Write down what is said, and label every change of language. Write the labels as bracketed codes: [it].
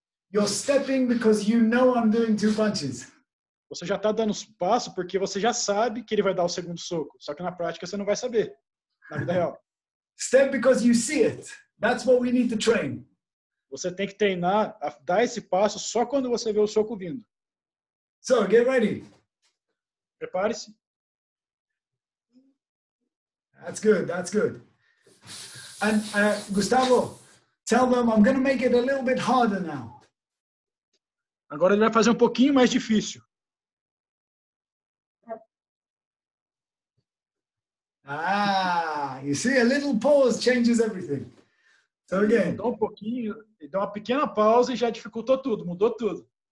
[en] You're stepping because you know I'm doing two punches. [pt] Você já está dando passo porque você já sabe que ele vai dar o segundo soco. Só que na prática você não vai saber. Na vida real. [en] Step because you see it. That's what we need to train. [pt] Você tem que treinar a dar esse passo só quando você vê o soco vindo. [en] So, get ready. [pt] Prepare-se. [en] That's good, that's good. And Gustavo, tell them I'm going to make it a little bit harder now. [pt] Agora ele vai fazer um pouquinho mais difícil. [en] Ah, you see, a little pause changes everything. So again. [pt] Mudou um pouquinho, ele deu uma pequena pausa e já dificultou tudo, mudou tudo.